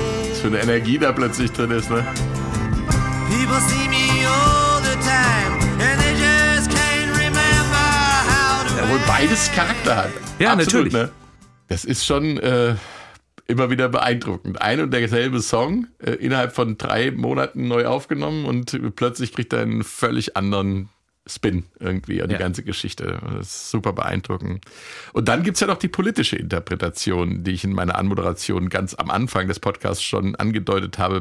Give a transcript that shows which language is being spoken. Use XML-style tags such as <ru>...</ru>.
<de>Was für eine Energie da plötzlich drin ist, ne?</de> <en>People see me all the time and they just can't remember how to.</en> <de>Ja, wohl beides Charakter hat. Ja, absolut, natürlich. Ne? Das ist schon immer wieder beeindruckend. Ein und derselbe Song, innerhalb von 3 Monaten neu aufgenommen und plötzlich kriegt er einen völlig anderen Spin irgendwie, die ganze Geschichte. Das ist super beeindruckend. Und dann gibt es ja noch die politische Interpretation, die ich in meiner Anmoderation ganz am Anfang des Podcasts schon angedeutet habe.</de>